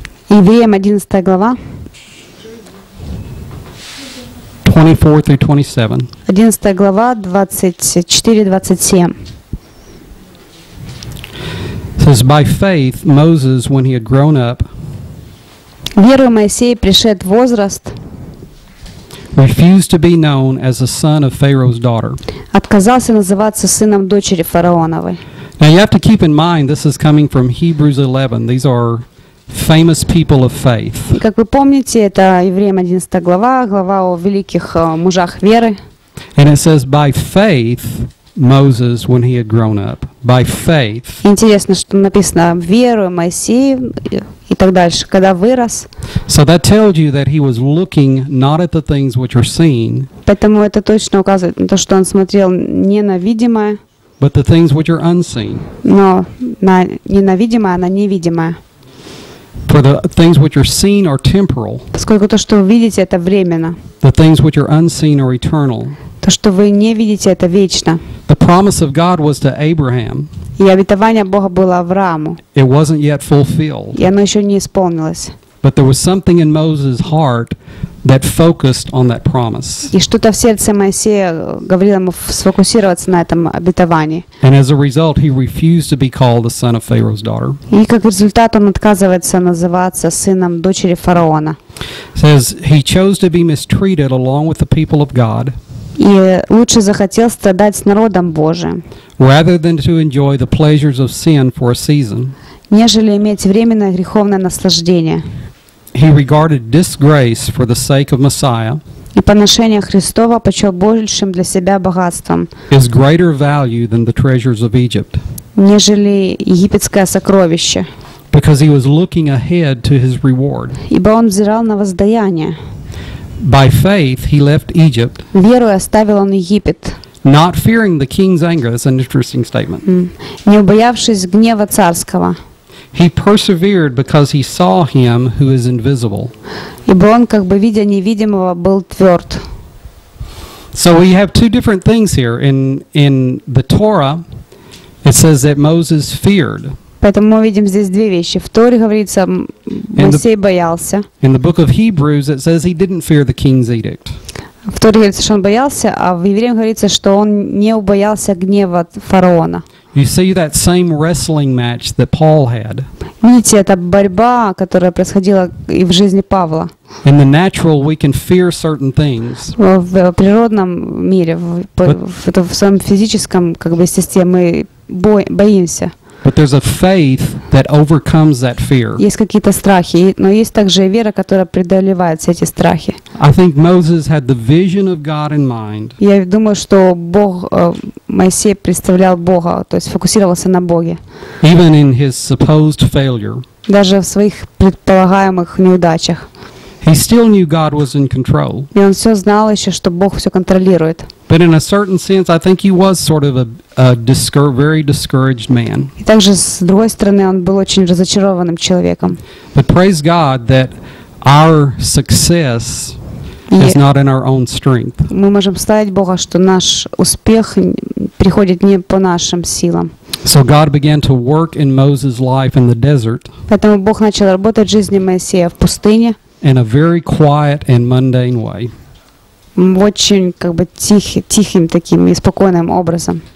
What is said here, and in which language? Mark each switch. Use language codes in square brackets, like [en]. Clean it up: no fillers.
[ru] Евреям 11 глава. 24-27. 11 глава 24-27. [en] Says by faith Moses when he had grown up. [ru] Верою Моисей пришед возраст. [en] Refused to be known as the son of Pharaoh's daughter. [ru] Отказался называться сыном дочери фараоновой. [en] Now you have to keep in mind this is coming from Hebrews 11. These are famous people of faith. [ru] Как вы помните, это Евреям 11 глава о великих мужах веры. [en] And it says by faith Moses when he had grown up. By faith. [ru] Интересно, что написано верою Моисей и так дальше, когда вырос. [en] So that tells you that he was looking not at the things which are seen. [ru] Поэтому это точно указывает на то, что он смотрел не на видимое. [en] But the things which are unseen. [ru] Но на не на видимое, а на невидимое. [en] For the things which are seen are temporal. [ru] Поскольку то, что вы видите, это временно. [en] The things which are unseen are eternal. [ru] То, что вы не видите, это вечно. [en] The promise of God was to Abraham. [ru] И обетование Бога было Аврааму. [en] It wasn't yet fulfilled. [ru] И оно еще не исполнилось. [en] But there was something in Moses' heart that focused on that promise. [ru] И что-то в сердце Моисея говорило ему сфокусироваться на этом обетовании. [en] And as a result, he refused to be called the son of Pharaoh's daughter. [ru] И как результат, он отказывается называться сыном дочери фараона. [en] Says he chose to be mistreated along with the people of God. [ru] И лучше захотел страдать с народом Божиим. [en] Rather than to enjoy the pleasures of sin for a season. [ru] Нежели иметь временное греховное наслаждение. [en] He regarded disgrace for the sake of Messiah. [ru] И поношение Христова почел большим для себя богатством. [en] Is greater value than the treasures of Egypt. [ru] Нежели египетское сокровище. [en] Because he was looking ahead to his reward. [ru] Ибо он взирал на воздаяние. [en] By faith he left Egypt. [ru] Верою оставил он Египет. [en] Not fearing the king's anger, that's an interesting statement. [ru] Не убоявшись гнева царского. [en] He persevered because he saw him who is invisible. [ru] Ибо он, как бы видя невидимого, был тверд. [en] So we have two different things here. In the Torah, it says that Moses feared. [ru] Поэтому мы видим здесь две вещи. В Торе говорится, Моисей боялся. [en] In the book of Hebrews, it says he didn't fear the king's edict. [ru] В Торе говорится, что он боялся, а в Евреям говорится, что он не убоялся гнева фараона. [en] You see that same wrestling match that Paul had. [ru] Видите, это борьба, которая происходила и в жизни Павла. [en] In the natural, we can fear certain things. [ru] В природном мире, в своем физическом, как бы, естестве, мы боимся. [en] But there's a faith that overcomes that fear. [ru] Есть какие-то страхи, но есть также вера, которая преодолевает все эти страхи. [en] I think Moses had the vision of God in mind. [ru] Я думаю, что Бог Моисей представлял Бога, то есть фокусировался на Боге. [en] Even in his supposed failure. [ru] Даже в своих предполагаемых неудачах. [en] He still knew God was in control. [ru] И он все знал еще, что Бог все контролирует. [en] But in a certain sense, I think he was sort of a very discouraged man. [ru] И также с другой стороны, он был очень разочарованным человеком. [en] But praise God that our success is not in our own strength. [ru] Мы можем славить Бога, что наш успех приходит не по нашим силам. [en] So God began to work in Moses' life in the desert. [ru] Поэтому Бог начал работать в жизни Моисея в пустыне. [en] In a very quiet and mundane way. [ru] Очень как бы тихим таким и спокойным образом.